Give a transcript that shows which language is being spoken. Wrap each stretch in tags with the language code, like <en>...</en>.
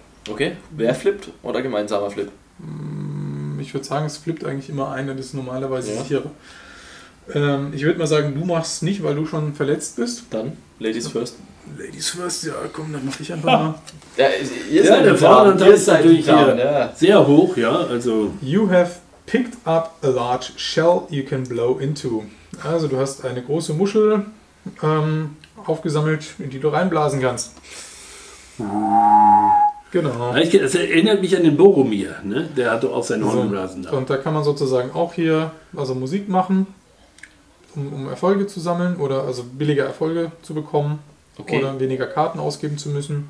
<de>Okay, wer flippt oder gemeinsamer Flip? Ich würde sagen, es flippt eigentlich immer einer, das ist normalerweise sicherer. Ich würde mal sagen, du machst es nicht, weil du schon verletzt bist. Dann,</de> <en>Ladies first. Ladies first,</en> <de>ja, komm, dann mache ich einfach mal. Ihr seid natürlich hier. Sehr hoch, ja. Also.</de> <en>You have picked up a large shell you can blow into.</en> <de>Also du hast eine große Muschel aufgesammelt, in die du reinblasen kannst. Genau. Das erinnert mich an den Boromir, ne? Der hat doch auch seinen Horn geblasen. So. Und da kann man sozusagen auch hier also Musik machen. Um Erfolge zu sammeln oder also billige Erfolge zu bekommen oder weniger Karten ausgeben zu müssen.</de>